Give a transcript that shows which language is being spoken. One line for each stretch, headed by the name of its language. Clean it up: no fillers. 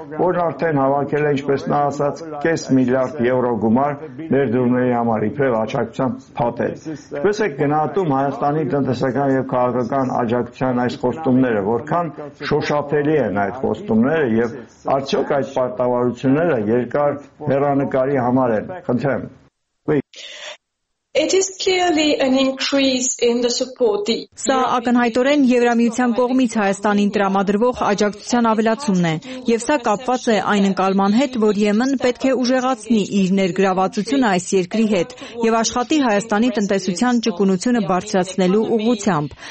Armenian: որն արդեն հավաքել է, ինչպես նա ասաց, 500 միլիարդ եվրո գումար ներդրումների համար, իբրև աջակցության փաթեթ։ Ինչպես եք գնահատում Հայաստանի տնտեսական և քաղաքական աջակցության այս խոստումները, որքան շոշափելի են այդ խոստումները, և արդյոք այդ պարտավորությունները երկար հեռանկարի համար են։ Խնդրեմ։
English: It is clearly an increase in the support.
Armenian: Սա ակնհայտորեն Եվրամիության կողմից Հայաստանին տրամադրվող աջակցության ավելացումն է, և սա կապված է այն ընկալման հետ, որ ԵՄ-ն պետք է ուժեղացնի իր ներգրավվածությունը այս երկրի հետ և աշխատի Հայաստանի տնտեսության ճկունությունը բարձրացնելու ուղղությամբ,